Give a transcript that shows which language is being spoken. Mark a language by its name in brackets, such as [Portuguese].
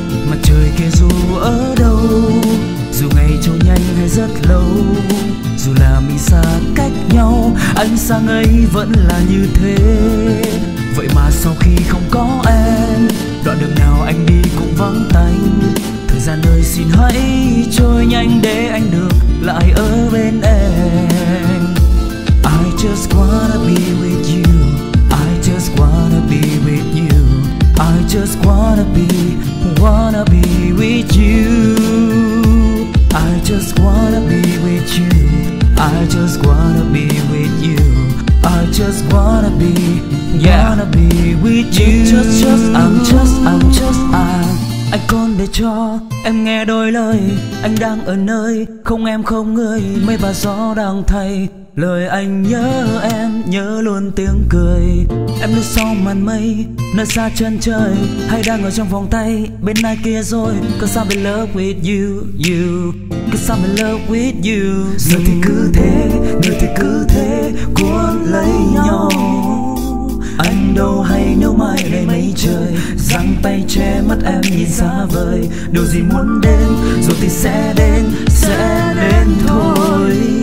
[Vietnamese] Mặt trời kia dù ở đâu, dù ngày trôi nhanh hay rất lâu, dù là mình xa cách nhau, ánh sáng ấy vẫn là như thế. Vậy mà sau khi không có em, đoạn đường nào anh đi cũng vắng tanh. Thời gian ơi xin hãy trôi nhanh để anh được lại ở bên em. [English] I just wanna be with you, I just wanna be with you, I just wanna be with you. I just wanna be with you, I just wanna be with you, I just wanna be, wanna be with you. I'm just, [Vietnamese] anh còn để cho em nghe đôi lời. Anh đang ở nơi không em không người, mây và gió đang thay lời. Anh nhớ em, nhớ luôn tiếng cười. Em đứng sau màn mây, nơi xa chân trời, hay đang ở trong vòng tay bên ai kia rồi. [English] Cause I'm in love with you, you. Cause I'm in love with you. [Vietnamese] Giờ thì cứ thế, người thì cứ thế cuốn lấy nhau. Anh đâu hay nếu mai đây mây trời giăng tay che mắt em nhìn xa vời. Điều gì muốn đến rồi thì sẽ đến thôi.